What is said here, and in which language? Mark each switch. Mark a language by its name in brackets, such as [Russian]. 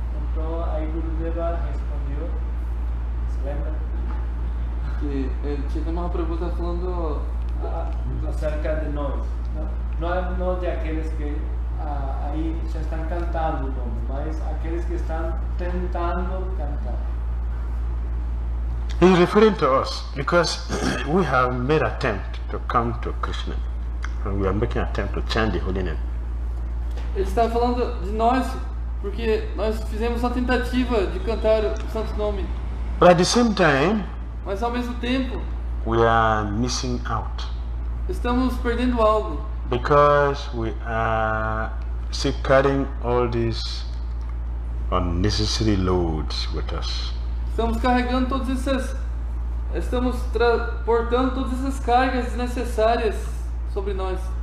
[Portuguese] Então aí Gurudeva respondeu, se lembra? Que ele tinha uma pergunta falando acerca de nós, né? Não, não de aqueles que aí já estão cantando o nome, mas aqueles que estão tentando cantar. [English] He's referring to us because we have made attempt to come to Krishna, and we are making attempt to chant the holy name. [Portuguese] Ele está falando de nós porque nós fizemos a tentativa de cantar o santo nome. [English] But at the same time, [Portuguese] mas ao mesmo tempo, [English] we are missing out. [Portuguese] Estamos perdendo algo. [English] Because we are still carrying all these unnecessary loads with us. [Portuguese] Estamos carregando todas essas, estamos transportando todas essas cargas desnecessárias sobre nós.